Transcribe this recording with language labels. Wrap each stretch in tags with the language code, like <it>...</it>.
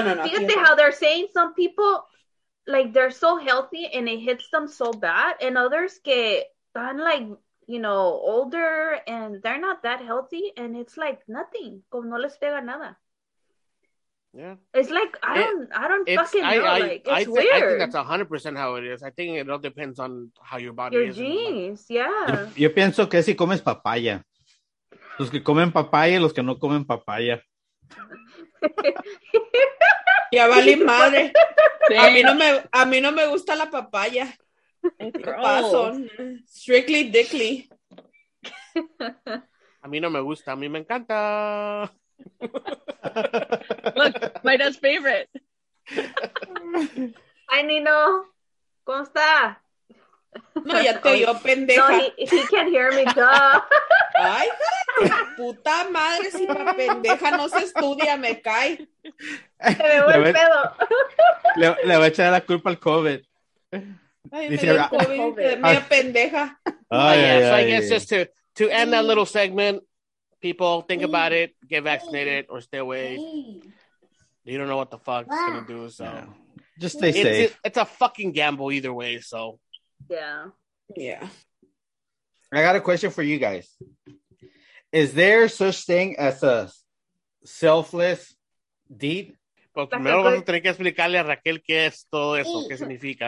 <en>Fíjate how they're saying some people, like, they're so healthy and it hits them so bad, and others</en> <es>que están,</es> <en>like, you know, older and they're not that healthy, and it's like nothing.</en> <es>Como no les pega nada.</es> <en>Yeah, it's like I don't fucking know. It's weird. I think that's 100% how it is. I think it all depends on how your body is. Your genes, yeah.</en> <es>Yo pienso que si comes papaya, los que comen papaya y los que no comen papaya. Ya vale madre. A mí no me gusta la papaya. Paso.</es> <en>Strictly dickly.</en> <es>A mí no me gusta. A mí me encanta.</es> <en>Look, my dad's favorite. Hi,</en> <es>Nino. ¿Cómo está? No, ya te oyó, pendeja.</es> <en>No, he can't hear me, duh.</en> <es>Ay, puta madre, si pa' pendeja no se estudia, me cae. Se me va el pedo. Le voy a echar la culpa al COVID. Ay, dice, me dio COVID, mía pendeja.</es> <en>Just to end that little segment, people, think about it. Get vaccinated or stay away. You don't know what the fuck it's gonna do. So, just stay safe. It's a fucking gamble either way. So, yeah. I got a question for you guys. Is there such thing as a selfless deed?</en> <es>Pues primero vas a tener que explicarle a Raquel qué es todo eso, qué significa.</es>